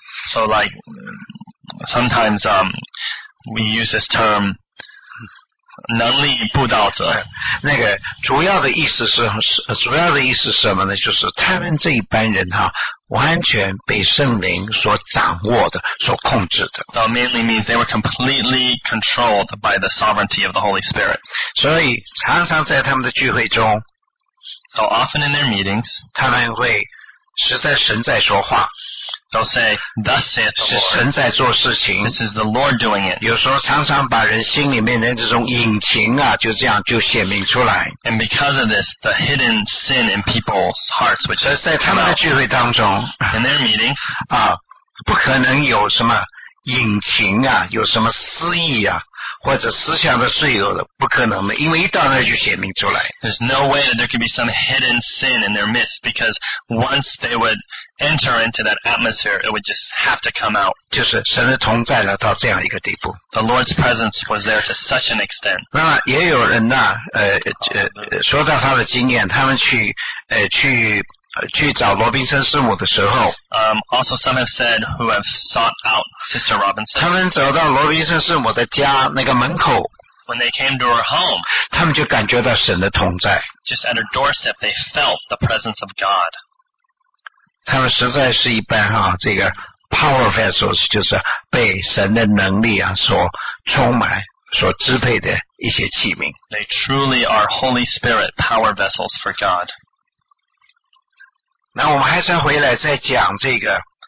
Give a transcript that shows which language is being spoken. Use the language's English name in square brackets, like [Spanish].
[English] So like, sometimes, We use this term 能力布道者。 [Chinese] 那个主要的意思是什么呢？就是他们这一班人哈，完全被圣灵所掌握的、所控制的。 [English] That mainly means they were completely controlled by the sovereignty of the Holy Spirit. [Chinese] 所以常常在他们的聚会中 [English] ，So often in their meetings， [Chinese] 他们会实在神在说话。 [English] They'll say, "Thus saith the Lord." [Chinese] 是神在做事情。 [English] This is the Lord doing it. [Chinese] 有时候常常把人心里面的这种隐情啊，就这样就显明出来。 [English] And because of this, the hidden sin in people's hearts, which [Chinese] 在他们的聚会当中 [English] ，in their meetings, [Chinese] 啊，不可能有什么隐情啊，有什么私意啊，或者思想的罪恶的，不可能的，因为一到那就显明出来。 [English] There's no way that there could be some hidden sin in their midst because once they would. Enter into that atmosphere, it would just have to come out. [Chinese] 就是神的同在了到这样一个地步。 [English] The Lord's presence was there to such an extent. [Chinese] 那也有人呢，说到他的经验，他们去，去找罗宾森师母的时候。 [English] Also some have said who have sought out Sister Robinson. [Chinese] 他们走到罗宾森师母的家那个门口。 [English] When they came to her home, [Chinese] 他们就感觉到神的同在。 [English] Just at her doorstep, they felt the presence of God. [Chinese] 他们实在是一般啊，这个 [English] power vessels [Chinese] 就是被神的能力啊所充满、所支配的一些器皿。 [English] They truly are Holy Spirit power vessels for God. [Chinese] 那我们还是要回来再讲这个。